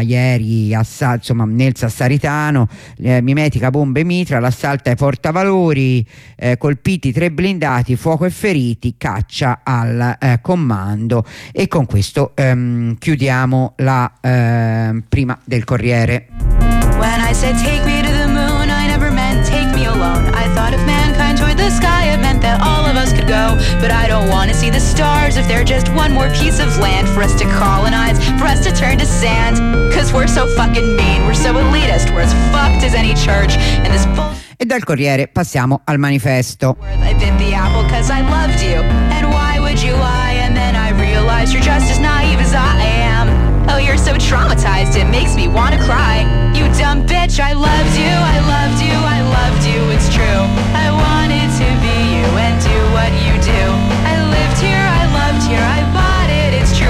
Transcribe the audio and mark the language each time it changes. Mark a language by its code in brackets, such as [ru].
[it] Ieri nel Sassaritano, mimetica bombe mitra, l'assalto ai portavalori, colpiti tre blindati, fuoco e feriti, caccia al comando. E con questo chiudiamo la prima del Corriere. [en] When I said take me to the moon, I never meant take me alone. I thought if mankind toward the sky, it meant that all of us could go. But I don't want to see the stars if they're just one more piece of land for us to colonize, for us to turn to sand. Cause we're so fucking mean, we're so elitist, we're as fucked as any church. And this bull. [it] E dal Corriere passiamo al Manifesto. [en] I bit the apple cause I loved you. And why would you lie? And then I realized you're just as naive as I am. Oh, you're so traumatized, it makes me wanna cry. You dumb bitch, I loved you, I loved you, I loved you, it's true. I wanted to be you and do what you do. I lived here, I loved here, I bought it, it's true.